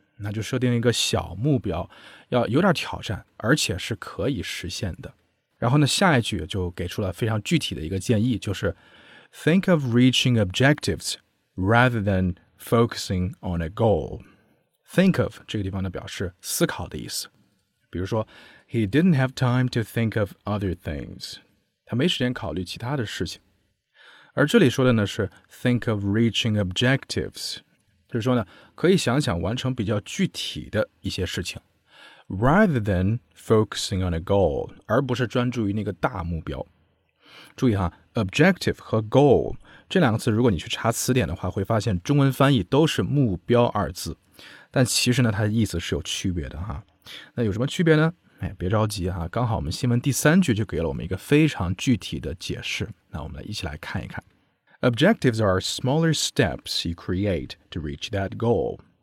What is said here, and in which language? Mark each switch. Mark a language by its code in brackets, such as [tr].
[zh] 那就设定一个小目标,要有点挑战,而且是可以实现的。然后呢,下一句就给出了非常具体的一个建议,就是 [en] think of reaching objectives rather than focusing on a goal. Think of [zh] 这个地方呢表示思考的意思。比如说 [en] He didn't have time to think of other things. [zh] 他没时间考虑其他的事情。而这里说的呢是 [en] think of reaching objectives. [zh] 就是说呢可以想想完成比较具体的一些事情。 [en] Rather than focusing on a goal, [zh] 而不是专注于那个大目标。注意哈 ,objective 和 goal, 这两个字如果你去查词典的话会发现中文翻译都是目标二字。但其实呢它的意思是有区别的哈。那有什么区别呢哎，别着急啊，刚好我们新闻第三句就给了我们一个非常具体的解释，那我们来一起来看一看。 [en] Objectives are smaller steps you create to reach that goal.